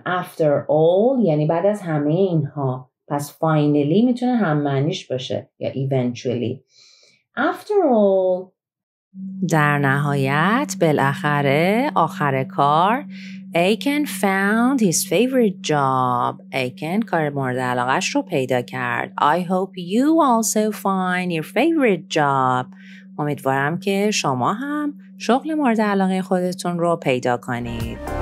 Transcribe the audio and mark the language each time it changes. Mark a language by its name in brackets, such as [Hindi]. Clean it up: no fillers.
[English] after all [Persian] یعنی بعد از همه اینها، پس فاینلی میتونه هم معنیش باشه یا eventually. after all در نهایت بالاخره آخر کار ایکن [English] found his favorite job. [Persian] ایکن کار مورد علاقش رو پیدا کرد. [English] I hope you also find your favorite job. [Persian] امیدوارم که شما هم شغل مورد علاقه خودتون رو پیدا کنید.